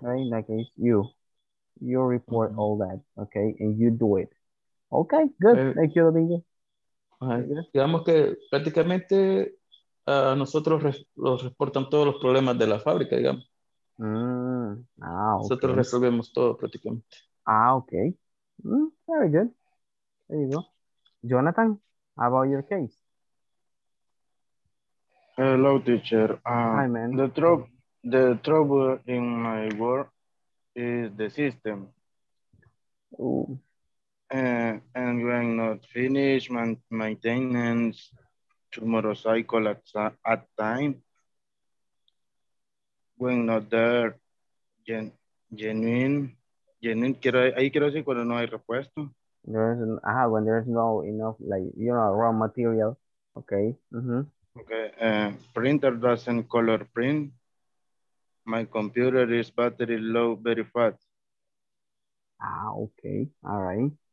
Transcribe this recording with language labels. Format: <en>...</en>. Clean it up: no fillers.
<en>Right, in that case, you report all that, okay, and you do it. Okay, good. Thank you, Domingo.</en> <es>Digamos que prácticamente nosotros los reportan todos los problemas de la fábrica, digamos. Nosotros resolvemos todo prácticamente.</es> <en>Okay. Very good. There you go. Jonathan, how about your case? Hello, teacher. Hi, man. The trouble in my work is the system. And when not finished, maintenance, two motorcycle at time. When not there, genuine.</en> <es>Quiero, ahí quiero decir cuando no hay repuesto.</es> <en>When there's no enough, like, you know, raw material. Okay. Mm-hmm. Okay, printer doesn't color print. My computer is battery low, very fast. Okay, all right.</en>